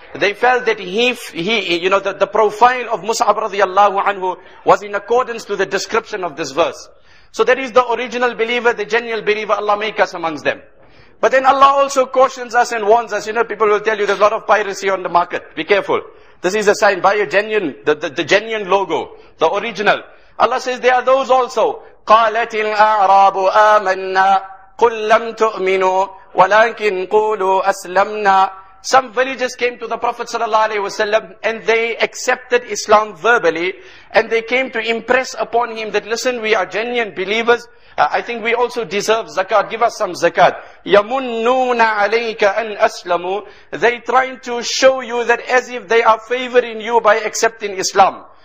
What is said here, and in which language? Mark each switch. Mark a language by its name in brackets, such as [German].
[English] They felt that the profile of Mus'ab radiallahu anhu was in accordance to the description of this verse. So that is the original believer, the genuine believer. Allah make us amongst them. But then Allah also cautions us and warns us. You know, people will tell you there's a lot of piracy on the market. Be careful. This is a sign. Buy a genuine, the genuine logo, the original. Allah says there are those also. [Arabic] قالت الأعراب آمنا قل لم تؤمنوا ولكن قولوا أسلمنا. [English] Some villagers came to the Prophet sallallahu alaihi wasallam and they accepted Islam verbally and they came to impress upon him that listen, we are genuine believers. I think we also deserve zakat. Give us some zakat. [Arabic] يَمُنُّونَ عَلَيْكَ أَنْ أَسْلَمُوا. [English] They trying to show you that as if they are favoring you by accepting Islam.